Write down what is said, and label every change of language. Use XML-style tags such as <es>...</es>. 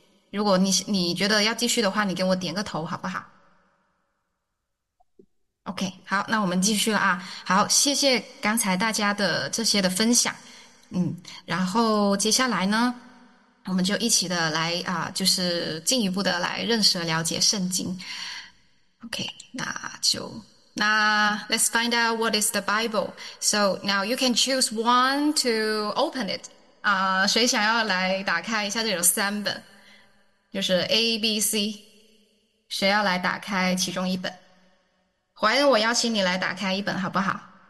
<zh>如果你觉得要继续的话，你给我点个头好不好？OK，好，那我们继续了啊。好，谢谢刚才大家的这些的分享。然后接下来呢，我们就一起的来就是进一步的来认识和了解圣经。</zh> <en>OK，</en> <zh>那</zh> <en>let's find out what is the Bible. So now you can choose one to open it.</en> <zh>谁想要来打开一下？这有三本，就是 A、B、C，谁要来打开其中一本？怀恩，我邀请你来打开一本，好不好？</zh>